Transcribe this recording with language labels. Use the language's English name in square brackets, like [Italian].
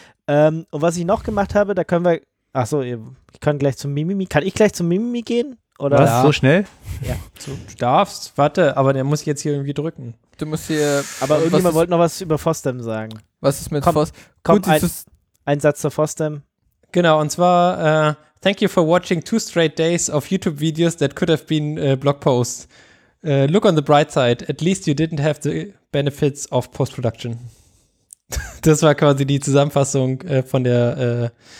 [German] Und was ich noch gemacht habe, da können wir, kann ich gleich zum Mimimi gehen? Oder? Was, so schnell? Ja. Du darfst, warte, aber der muss ich jetzt hier irgendwie drücken. Du musst hier. Aber irgendjemand wollte noch was über FOSDEM sagen. Was ist mit FOSDEM? Komm, ein Satz zur FOSDEM. Genau, und zwar, [English] thank you for watching 2 straight days of YouTube videos that could have been blog posts. Look on the bright side, at least you didn't have the benefits of post-production. [German] Das war quasi die Zusammenfassung von der